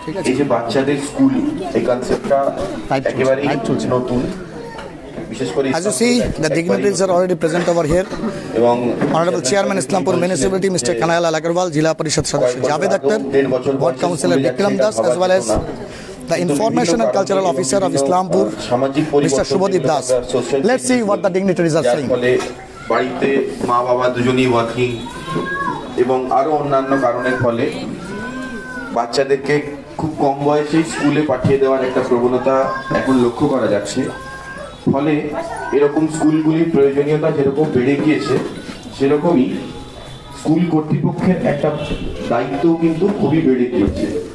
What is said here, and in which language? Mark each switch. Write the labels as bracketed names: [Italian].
[Bangla] এই যে বাচ্চাদের স্কুল, এই কনসেপ্টটা একেবারে নতুন। [English] As you see, the dignitaries are already present over here. Honorable Chairman Islampur Municipality, Mr. Kanayalal Agarwal, Jila Parishad Sadasya Javed Akhtar, Board Councillor Vikram Das, as well as the Information and Cultural Officer of Islampur, Mr. Shubhadeep Das. Let's see what the dignitaries are saying. [Bangla] বাড়িতে মা বাবা দুজনই working এবং আরো অন্যান্য কারণের ফলে বাচ্চাদেরকে খুব কম বয়সেই স্কুলে পাঠিয়ে দেওয়ার একটা প্রবণতা এখন লক্ষ্য করা যাচ্ছে। ফলে এরকম স্কুলগুলির প্রয়োজনীয়তা যেরকম বেড়ে গিয়েছে, সেরকমই স্কুল কর্তৃপক্ষের একটা দায়িত্বও কিন্তু খুবই বেড়ে গিয়েছে।